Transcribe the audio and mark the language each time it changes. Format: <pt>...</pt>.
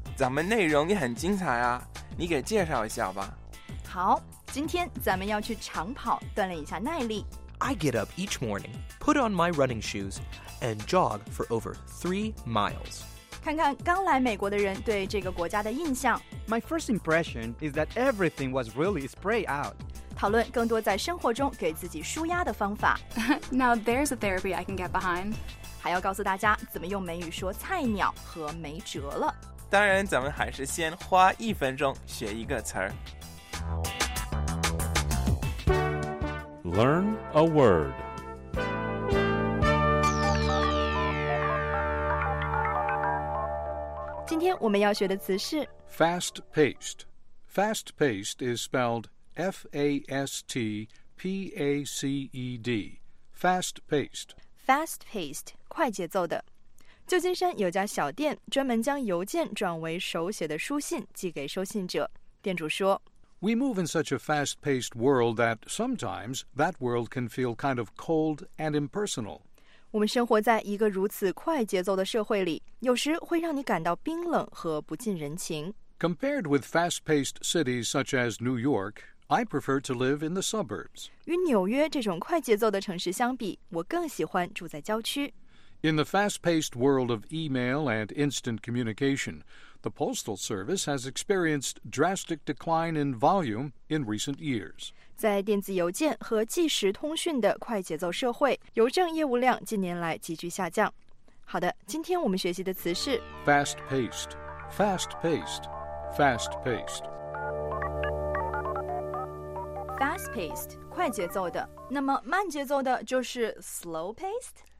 <zh>咱们内容也很精彩啊，你给介绍一下吧。好，今天咱们要去长跑，锻炼一下耐力。</zh> <en>I get up each morning, put on my running shoes, and jog for over 3 miles.</en> <zh>看看刚来美国的人对这个国家的印象。</zh> <en>My first impression is that everything was really spread out.</en> <zh>讨论更多在生活中给自己舒压的方法。</zh> <en>Now there's a therapy I can get behind.</en> <zh>还要告诉大家怎么用美语说菜鸟和没辙了。当然，咱们还是先花一分钟学一个词儿。</zh> <en>Learn a word. Today,</en> <zh>我们要学的词是</zh> <en>fast-paced. Fast-paced is spelled F-A-S-T-P-A-C-E-D. Fast-paced.</en> <zh>Fast-paced, 快节奏的。旧金山有家小店专门将邮件转为手写的书信寄给收信者。店主说，</zh> <en>We move in such a fast-paced world that sometimes that world can feel kind of cold and impersonal.</en> <zh>我们生活在一个如此快节奏的社会里，有时会让你感到冰冷和不近人情。</zh> <en>Compared with fast-paced cities such as New York, I prefer to live in the suburbs.</en> <zh>与纽约这种快节奏的城市相比，我更喜欢住在郊区。</zh> <en>In the fast-paced world of email and instant communication, the postal service has experienced drastic decline in volume in recent years.</en> <zh>在电子邮件和即时通讯的快节奏社会，邮政业务量近年来急剧下降。好的，今天我们学习的词是</zh> <en>fast-paced, fast-paced, fast-paced.</en> <zh>Fast-paced, 快节奏的。那么慢节奏的就是 slow-paced?</zh>